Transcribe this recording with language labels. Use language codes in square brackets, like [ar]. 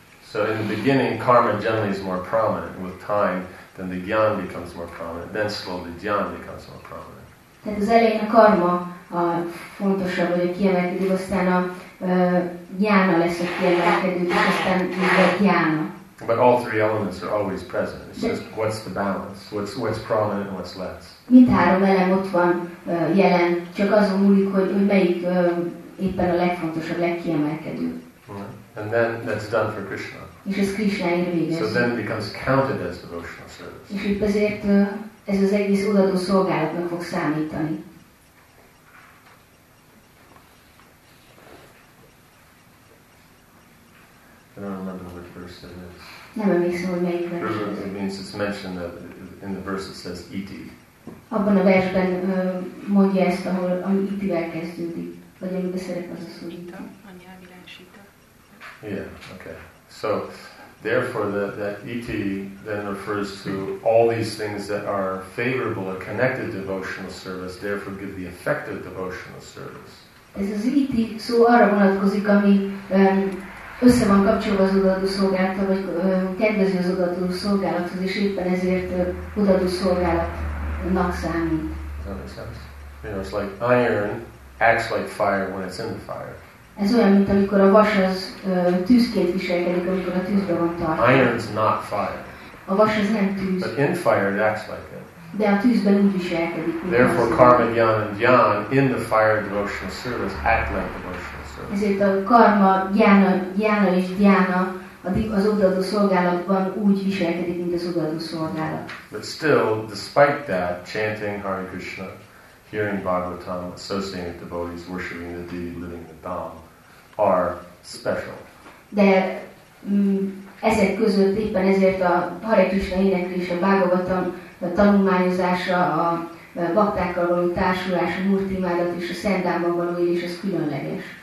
[en] So in the beginning, karma generally is more prominent with time. Then the gyan becomes more prominent. Then slowly gyan becomes more prominent. [hu] Tehát az elején a karma a fontosabb, vagy a kiemelkedő, aztán a gyána lesz a kiemelkedő, és aztán a gyána. [en] But all three elements are always present. It's just what's the balance? What's prominent and what's less? [hu] Mindhárom elem ott van jelen, csak az múlik, hogy melyik éppen a legfontosabb, legkiemelkedő. [en] And then that's done for Krishna. [hu] És ez Krisnáért végez. [en] So then it becomes counted as devotional service. [hu] És itt azért ez az egész odaadó szolgálatnak fog számítani. [en] I don't remember what verse it is. [hu] Nem emlékszem, hogy melyik verse [en] it is. It means it's mentioned that in the verse it says iti. [hu] Abban a versben mondja ezt, ahol itivel kezdődik. Vagy amiben szerep az a szó. Ita, anyámi lánsita. [en] Yeah, okay. So, therefore, that iti then refers to all these things that are favorable or connected to devotional service, therefore give the effect of devotional service. [hu] Ez az iti szó arra vonatkozik, ami össze van kapcsolva az odaadó szolgálattal, vagy kedvező az odaadó szolgálathoz, és éppen ezért odaadó szolgálat not sand. [en] Does that make sense? You know, it's like iron acts like fire when it's in the fire. [hu] Ez olyan, mint amikor a vas az tűzként viselkedik, amikor a tűzbe van tartva. [en] Iron's not fire. [hu] A vas az nem tűz. [en] But in fire it acts like it. [hu] De a tűzben úgy viselkedik. [en] Therefore, karma, gyan and gyan in the fire devotional service act like devotional service. [hu] Ezért a karma, gyana és gyana az odaadó szolgálatban úgy viselkedik, mint az odaadó szolgálat. [en] But still, despite that, chanting Hare Krishna, hearing Bhagavatam, associating with devotees, worshipping the deity, living the Dham, are special. [hu] De ezek között éppen ezért a Hare Krishna éneklés, a Bhagavatam tanulmányozása, a baktákkal való társulás, a Murti imádat és a Szent Dhamban való élés, ez különleges.